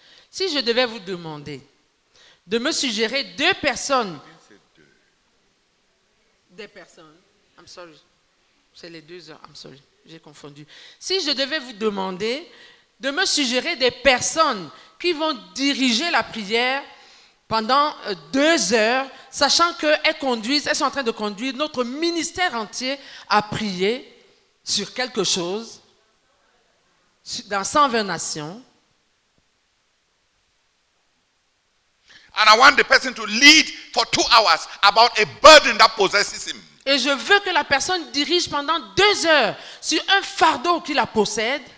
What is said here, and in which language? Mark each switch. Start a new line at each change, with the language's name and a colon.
French: Si je devais vous demander de me suggérer des personnes qui vont diriger la prière pendant 2 heures, sachant qu'elles sont en train de conduire notre ministère entier à prier sur quelque chose dans 120 nations.
English: And I want the person to lead for 2 hours about a burden that possesses him.
French: Et je veux que la personne dirige pendant 2 heures sur un fardeau qui la possède.